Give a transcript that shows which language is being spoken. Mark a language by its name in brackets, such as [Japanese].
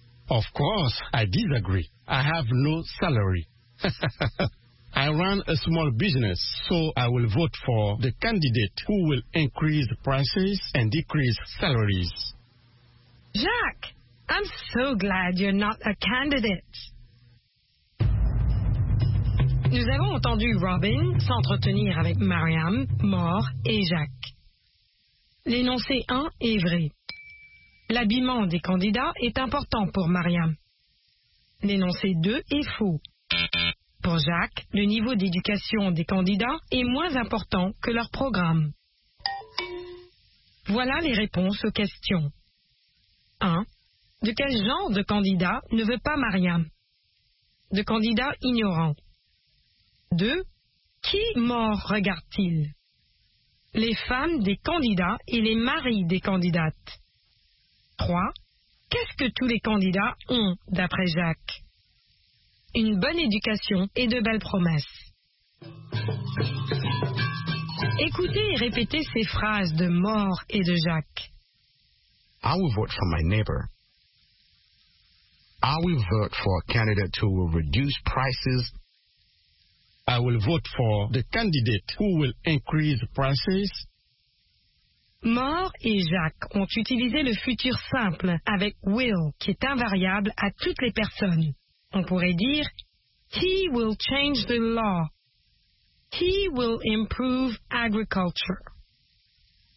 [English] Of course, I disagree. I have no salary. I run a small business, so I will vote for the candidate who will increase prices and decrease salaries. Jacques, I'm so glad you're not a candidate. [French] Nous avons entendu Robin s'entretenir avec Mariam, Mort et Jacques. L'énoncé 1 est vrai. L'habillement des candidats est important pour Mariam. L'énoncé 2 est faux. Pour Jacques, le niveau d'éducation des candidats est moins important que leur programme. Voilà les réponses aux questions. 1. De quel genre de candidat ne veut pas Mariam? De candidat ignorant. 2. Qui mort regarde-t-il? Les femmes des candidats et les maris des candidates. 3. Qu'est-ce que tous les candidats ont, d'après Jacques? Une bonne éducation et de belles promesses. Écoutez et répétez ces phrases de Mort et de Jacques. [English] I will vote for my neighbor. I will vote for a candidate who will reduce prices. I will vote for the candidate who will increase prices. [French] Maure et Jacques ont utilisé le futur simple avec « will » qui est invariable à toutes les personnes. On pourrait dire « [English] he will change the law ». « He will improve agriculture ».